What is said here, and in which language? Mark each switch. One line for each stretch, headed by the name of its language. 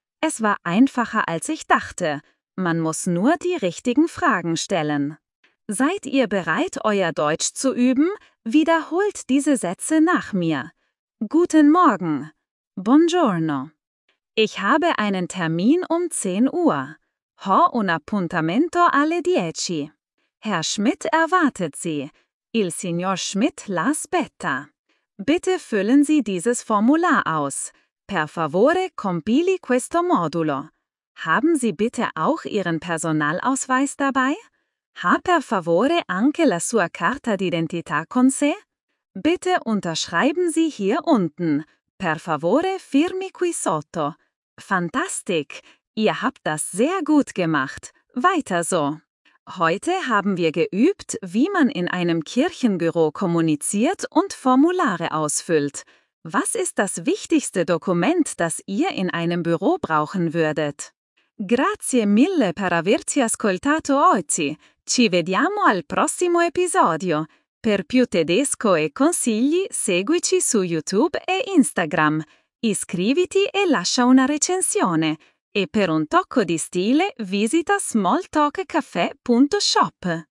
German: Es war einfacher, als ich dachte. Man muss nur die richtigen Fragen stellen. Seid ihr bereit, euer Deutsch zu üben? Wiederholt diese Sätze nach mir. Guten Morgen.
Italian: Buongiorno.
German: Ich habe einen Termin um 10 Uhr.
Italian: Ho un appuntamento alle 10.
German: Herr Schmidt erwartet Sie.
Italian: Il signor Schmidt la aspetta.
German: Bitte füllen Sie dieses Formular aus.
Italian: Per favore compili questo modulo.
German: Haben Sie bitte auch Ihren Personalausweis dabei?
Italian: Ha per favore anche la sua carta d'identità con sé?
German: Bitte unterschreiben Sie hier unten.
Italian: Per favore firmi qui sotto.
English: Fantastic!
German: Ihr habt das sehr gut gemacht. Weiter so! Heute haben wir geübt, wie man in einem Kirchenbüro kommuniziert und Formulare ausfüllt. Was ist das wichtigste Dokument, das ihr in einem Büro brauchen würdet?
Italian: Grazie mille per averci ascoltato oggi. Ci vediamo al prossimo episodio. Per più tedesco e consigli, seguici su YouTube e Instagram. Iscriviti e lascia una recensione. E per un tocco di stile, visita smalltalkcaffè.shop.